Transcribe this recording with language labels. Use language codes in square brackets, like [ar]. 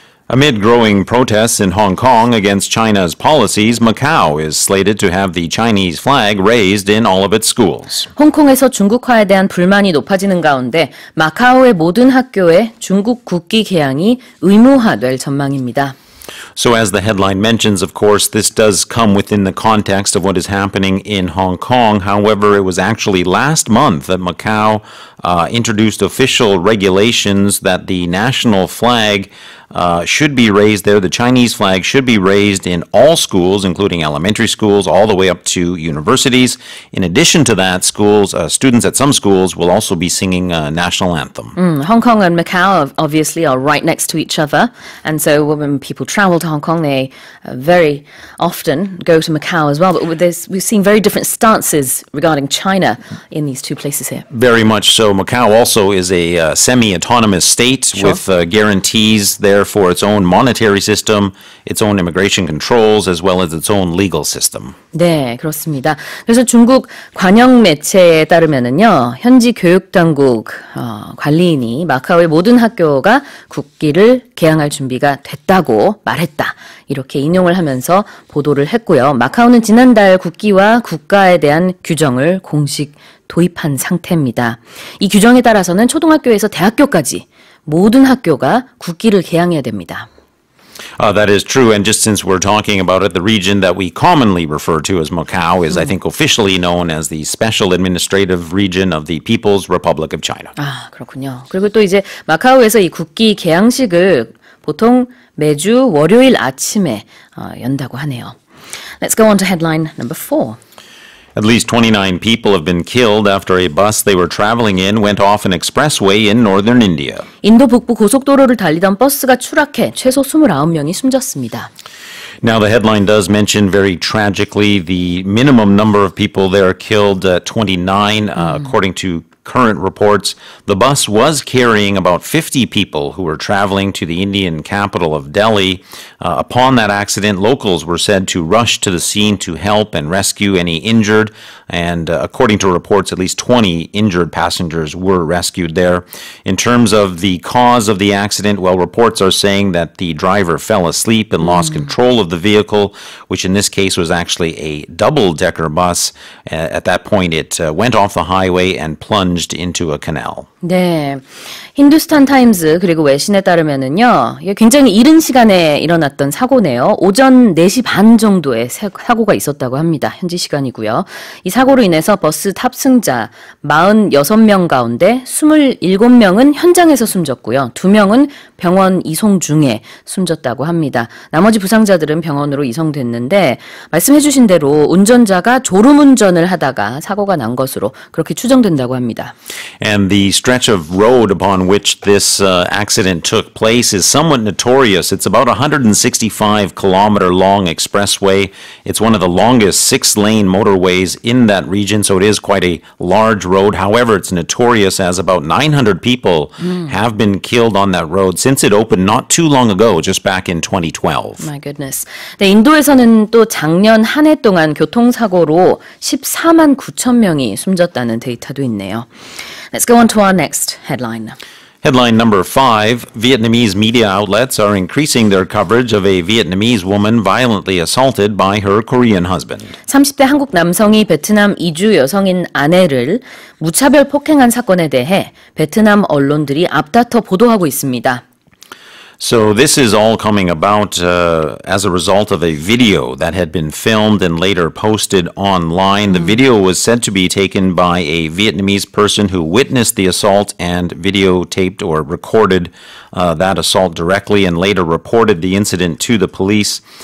[en] Amid growing protests in Hong Kong against China's policies, Macau is slated to have the Chinese flag raised in all of its schools. [ko] 홍콩에서 중국화에 대한 불만이 높아지는 가운데 마카오의 모든 학교에 중국 국기 개양이 의무화될 전망입니다. [en] So as the headline mentions, of course, this does come within the context of what is happening in Hong Kong. However, it was actually last month that Macau introduced official regulations that the national flag should be raised there. The Chinese flag should be raised in all schools, including elementary schools, all the way up to universities. In addition to that, students at some schools will also be singing a national anthem. Hong Kong and Macau obviously are right next to each other. And so when people travel to Hong Kong, they very often go to Macau as well. But we've seen very different stances regarding China in these two places here. Very much so. Macau also is a semi-autonomous state, sure, with guarantees there for its own monetary system, its own immigration controls, as well as its own legal system. [ko] 네, 그렇습니다. 그래서 중국 관영 매체에 따르면은요, 현지 교육 당국 관리인이 마카오의 모든 학교가 국기를 개항할 준비가 됐다고 말했다. 이렇게 인용을 하면서 보도를 했고요. 마카오는 지난달 국기와 국가에 대한 규정을 공식 도입한 상태입니다. 이 규정에 따라서는 초등학교에서 대학교까지 모든 학교가 국기를 개항해야 됩니다. [en] That is true, and just since we're talking about it, the region that we commonly refer to as Macau is, I think, officially known as the Special Administrative Region of the People's Republic of China. [ko] 아, 그렇군요. 그리고 또 이제 마카오에서 이 국기 개항식을 보통 매주 월요일 아침에 연다고 하네요. [en] Let's go on to headline number four. At least 29 people have been killed after a bus they were traveling in went off an expressway in northern India. [ko] 인도 북부 고속도로를 달리던 버스가 추락해 최소 29명이 숨졌습니다. [en] Now the headline does mention very tragically the minimum number of people there killed, 29, according to current reports. The bus was carrying about 50 people who were traveling to the Indian capital of Delhi. Upon that accident, locals were said to rush to the scene to help and rescue any injured. And according to reports, at least 20 injured passengers were rescued there. In terms of the cause of the accident, well, reports are saying that the driver fell asleep and lost control of the vehicle, which in this case was actually a double-decker bus. At that point, it went off the highway and plunged plunged into a canal. [ko] 네, 힌두스탄 타임즈 그리고 외신에 따르면은요, 굉장히 이른 시간에 일어났던 사고네요. 오전 4시 반 정도에 사고가 있었다고 합니다. 현지 시간이고요. 이 사고로 인해서 버스 탑승자 46명 가운데 27명은 현장에서 숨졌고요. 2명은 병원 이송 중에 숨졌다고 합니다. 나머지 부상자들은 병원으로 이송됐는데 말씀해 주신 대로 운전자가 졸음운전을 하다가 사고가 난 것으로 그렇게 추정된다고 합니다. [en] And the stretch of road upon which this accident took place is somewhat notorious. It's about 165-kilometer long expressway. It's one of the longest six-lane motorways in that region, so it is quite a large road. However, it's notorious as about 900 people have been killed on that road since it opened not too long ago, just back in 2012. My goodness. [ko] 네, 인도에서는 또 작년 한 해 동안 교통사고로 14만 9천 명이 숨졌다는 데이터도 있네요. [en] Let's go on to our next headline. Headline number 5, Vietnamese media outlets are increasing their coverage of a Vietnamese woman violently assaulted by her Korean husband. [ko] 30대 한국 남성이 베트남 이주 여성인 아내를 무차별 폭행한 사건에 대해 베트남 언론들이 앞다퉈 보도하고 있습니다. [en] So this is all coming about as a result of a video that had been filmed and later posted online. The video was said to be taken by a Vietnamese person who witnessed the assault and videotaped or recorded that assault directly and later reported the incident to the police.